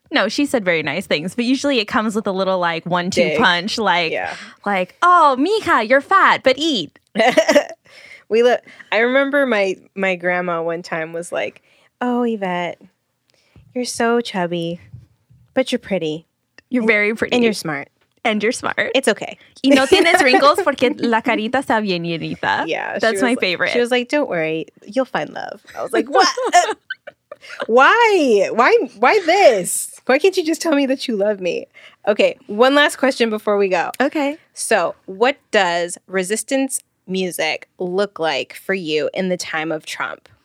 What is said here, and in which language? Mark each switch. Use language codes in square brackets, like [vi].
[en] No, she said very nice things, but usually it comes with a little like 1-2 dig. Punch, like, yeah. Like, oh, mija, you're fat, but eat. I remember my grandma one time was like, oh, Yvette, you're so chubby, but you're pretty. You're very pretty. And you're smart. And you're smart. It's okay. [es] Y no tienes wrinkles porque la carita está bien llenita. [en] Yeah. That's my favorite. She was like, don't worry, you'll find love. I was like, what? Why this? Why can't you just tell me that you love me? Okay, one last question before we go. Okay. So what does resistance music look like for you in the time of Trump?